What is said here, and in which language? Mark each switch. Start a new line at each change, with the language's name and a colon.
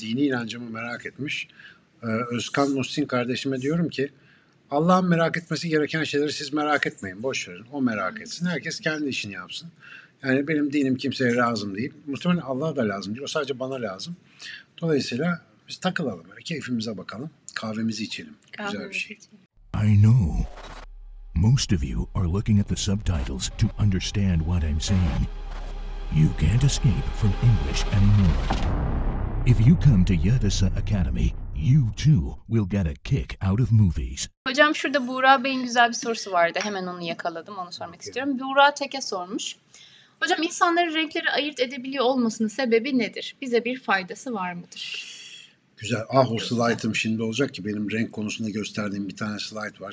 Turkish: Dini inancımı merak etmiş. Özkan Muhsin kardeşime diyorum ki Allah'ın merak etmesi gereken şeyleri siz merak etmeyin. Boş verin. O merak etsin. Herkes kendi işini yapsın. Yani benim dinim kimseye lazım değil. Muhtemelen Allah'a da lazım değil. O sadece bana lazım. Dolayısıyla biz takılalım. Böyle. Keyfimize bakalım. Kahvemizi içelim. Güzel bir şey.
English: I know. Most of you are looking at the subtitles to understand what I'm saying. You can't escape from English anymore. If you come to Yadasa Academy, you too will get a kick out of movies.
Turkish: Hocam şurada Buğra Bey'in güzel bir sorusu vardı. Hemen onu yakaladım, onu sormak istiyorum. Buğra Tek'e sormuş. Hocam insanların renkleri ayırt edebiliyor olmasının sebebi nedir? Bize bir faydası var mıdır? Güzel. Ah o slide'ım şimdi olacak ki benim renk konusunda gösterdiğim bir tane slide var.